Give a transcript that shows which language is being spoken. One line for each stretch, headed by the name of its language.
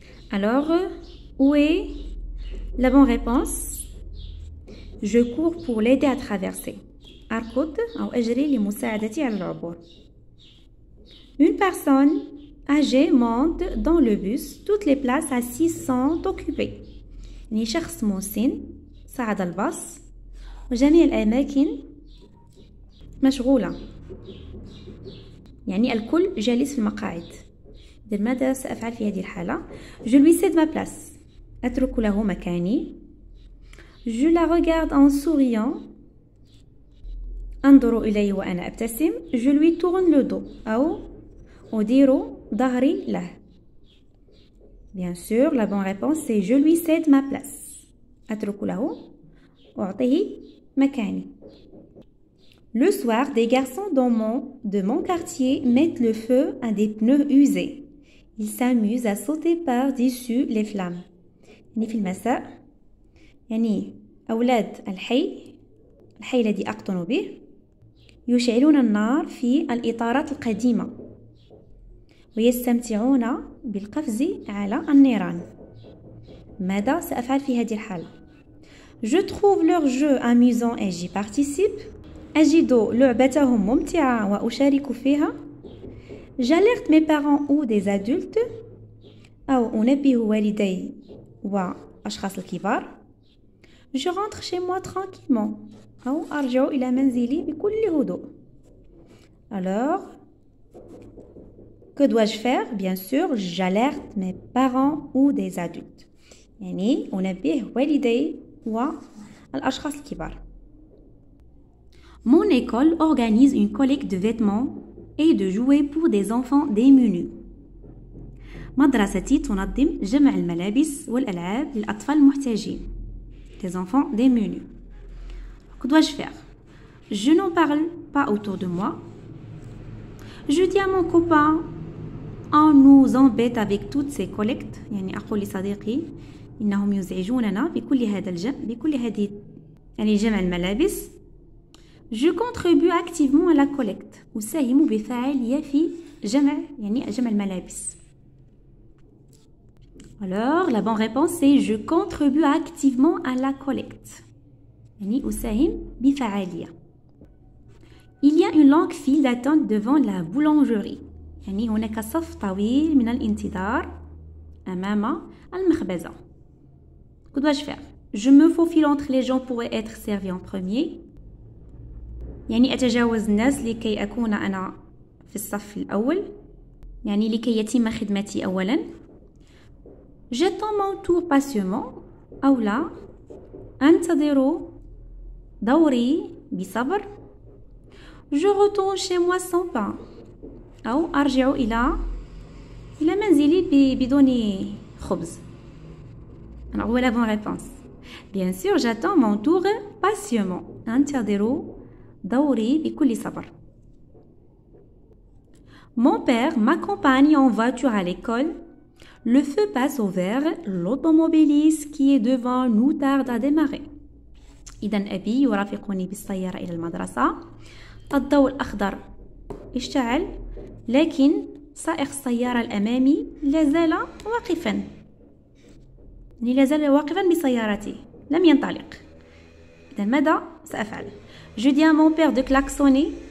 French: Alors, où est la bonne réponse? Je cours pour l'aider à traverser.
Arabic: أركض أو أجري لمساعدتي على العبور.
French: Une personne âgée monte dans le bus. Toutes les places assises sont occupées.
Arabic: يعني شخص مسن صعد الباص وجميع الأماكن مشغولة. يعني الكل جالس في المقاعد. إذا ماذا سأفعل في هذه الحالة؟
French: Je lui cède ma place.
Arabic: أترك له مكاني.
French: Je la regarde en souriant.
Arabic: أنظر إليه وأنا أبتسم.
French: Je lui tourne le dos.
Arabic: أو أدير ظهري له.
French: Bien sûr, la bonne réponse c'est je lui cède ma place.
Arabic: أترك له أعطيه مكاني.
French: Le soir, des garçons de mon quartier mettent le feu à des pneus usés. Ils s'amusent à sauter par-dessus les flammes.
Arabic: يعني في المساء يعني أولاد الحي الذي أقطن به يشعلون النار في الإطارات القديمة. ويستمتعون بالقفز على النيران. ماذا سأفعل في هذه الحالة؟
French: Je trouve leur jeu amusant et j'y participe.
Arabic: أجد لعبتهم ممتعة وأشارك فيها.
French: J'alerte mes parents ou des adultes.
Arabic: أو أنبه والدي وأشخاص الكبار.
French: Je rentre chez moi tranquillement.
Arabic: أو أرجع إلى منزلي بكل هدوء.
French: Alors, que dois-je faire? Bien sûr, j'alerte mes parents ou des adultes.
Arabic: يعني أنبه والدي والأشخاص الكبار.
French: Mon école organise une collecte de vêtements et de jouets pour des enfants démunis.
Arabic: مدرستي تنظم جمع الملابس والألعاب للأطفال المحتاجين.
French: Des enfants démunis. Que dois-je faire? Je n'en parle pas autour de moi. Je dis à mon copain, on nous embête avec toutes ces collectes.
Arabic: يعني أقول لصديقي إنهم يزعجوننا بكل هذا الجمع بكل هذه يعني جمع الملابس.
French: Je contribue activement à la collecte.
Arabic: أساهم بفاعلية في جمع يعني جمع الملابس.
French: Alors, la bonne réponse est je contribue activement à la collecte.
Arabic: يعني أساهم بفاعلية.
French: Il y a une longue file d'attente devant la boulangerie.
Arabic: يعني هناك صف طويل من الانتظار أمام المخبزة.
French: Que dois-je faire? Je me faufile entre les gens pour être servi en premier.
Arabic: يعني أتجاوز الناس لكي أكون أنا في الصف الأول. يعني لكي يتم خدمتي أولا.
French: J'attends mon tour patiemment.
Arabic: أو لا. أنتظر دوري بصبر.
French: Je retourne chez moi sans pain.
Arabic: أو أرجع إلى منزلي بدون خبز.
French: Alors, où est la bonne réponse? Bien sûr, j'attends mon tour patiemment.
Arabic: انتظر دوري بكل صبر.
French: Mon père m'accompagne en voiture à l'école. Le feu passe au vert. L'automobiliste qui est devant nous tarde à démarrer.
Arabic: إذن أبي يرافقني بالسيارة إلى المدرسة. الضوء الأخضر اشتعل. لكن سائق السيارة الأمامي لازال واقفا. يعني لازال واقفا بسيارتي لم ينطلق. إذا ماذا سأفعل؟
French: Je dis à mon père de klaxonner.